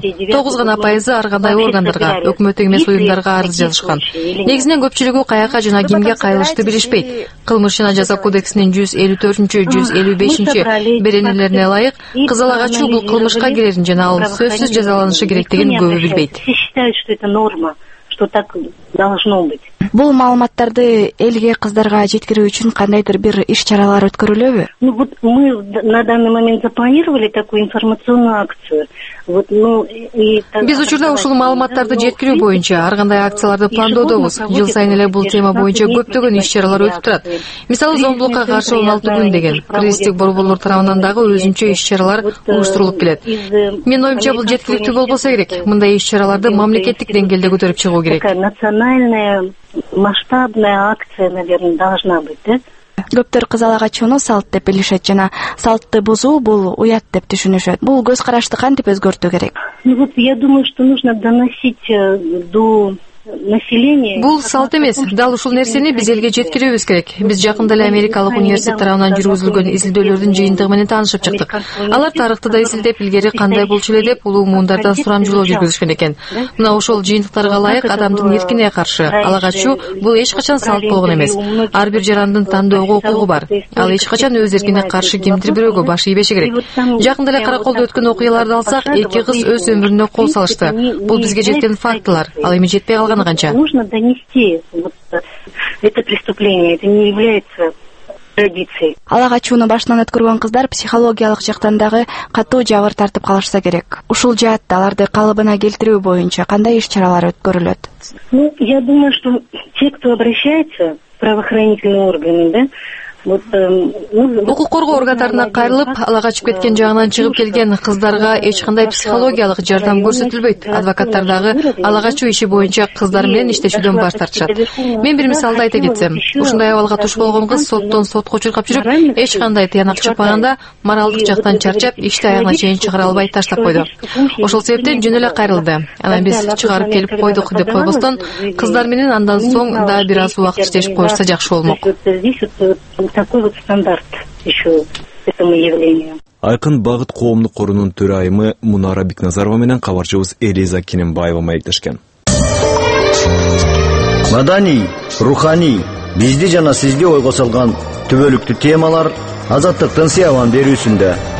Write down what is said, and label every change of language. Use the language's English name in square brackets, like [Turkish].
[Kyrgyz] 9% ар кандай органдарга, өкмөттүк эмес уюмдарга арыз жазышкан. Негизинен көпчүлүгү каяка жана кимге кайрылышты билишпейт. Кылмыш жана жаза кодексинин 154-155 беренелерине ылайык, кыз ала качуу бул кылмышка кирерин жана ал сөзсүз жазаланышы керектигин көбү билбейт. [Russian] Считаю, что это норма, что так должно быть. [Kyrgyz] Бул маалыматтарды элге кыздарга жеткирүү үчүн кандайдыр бир иш-чаралар өткөрүлөбү? [Russian] Ну вот мы на данный момент запланировали такую информационную акцию. Вот, ну, и [Kyrgyz] биз учурда ушул маалыматтарды жеткирүү боюнча ар кандай акцияларды пландоодобуз. Жыл сайын эле бул тема боюнча көптөгөн иш-чаралар өтүп турат. Мисалы, зомбулукка каршы 16 күн деген кризистик борборлор тарабынан дагы өзүнчө иш-чаралар уюштурулуп келет. Мен оюмча бул жеткиликтүү болбосо керек. Мындай иш-чараларды мамлекеттик деңгээлде көтөрүп чыгуу керек. [Russian] Масштабная акция, наверное, должна быть, да? [Kyrgyz] Көптөр кыз алага чоно салт деп билишет жана салтты бузуу бул уят деп түшүнүшөт. Бул көз карашты кантип өзгөртүү керек? [Russian] Ну вот я думаю, что нужно доносить до население. [Kyrgyz] Бул салт эмес. Дал ушул нерсени биз элге жеткирүүбүз керек. Биз жакында эле Америкалык университет тарабынан жүргүзүлгөн изилдөөлөрдүн жыйынтыгы менен таанышып чыктык. Алар тарыхты да изилдеп, илгери кандай болчу эле деп улуу муундардан сурамжылоо жүргүзүшкөн экен. Мына ошол жыйынтыктарга ылайык адамдын эркине каршы ала качуу бул эч качан салт болгон эмес. Ар бир жарандын тандоого укугу бар. Ал эч качан өз эркине каршы кимдир бирөөгө баш ийбеши керек. Жакында эле Караколдо өткөн окуяларды алсак, эки кыз өз өмүрүнө кол салышты. Бул бизге жеткен фактылар. Ал эми жетпей калган. [Russian] Нужно донести вот это преступление, это не является традицией. [Kyrgyz] Ала качууну башынан өткөргөн кыздар психологиялык жактан дагы катуу жабыр тартып калышса керек. Ушул жаатта аларды калыбына келтирүү боюнча кандай иш-чаралар өткөрүлөт? [Russian] Ну, я думаю, что те, кто обращается в правоохранительные органы, да, [Kyrgyz] укук коргоо органдарына кайрылып ала качып кеткен жагынан чыгып келген кыздарга эч кандай психологиялык жардам көрсөтүлбөйт. Адвокаттар дагы ала качуу иши боюнча кыздар менен иштешүүдөн баш тартышат. Мен бир мисалды айта кетсем, ушундай абалга туш болгон кыз соттон сотко чуркап жүрүп, эч кандай тыянак чыкпаганда моралдык жактан чарчап, ишти аягына чейин чыгара албай таштап койду. Ошол себептен жөн эле кайрылды. Анан биз чыгарып келип койдук деп койбостон, кыздар менен андан соң да бир аз убакыт иштешип коюшса жакшы болмок. [Russian] Такой вот стандарт еще этому явлению. [Kyrgyz] Айкын багыт коомдук корунун төрайымы Мунара Бекназарова менен кабарчыбыз Элиза Кененбаева маектешкен. Маданий, руханий, бизди жана сизди ойго салган түбөлүктүү темалар Азаттыктын Сыябан берүүсүндө.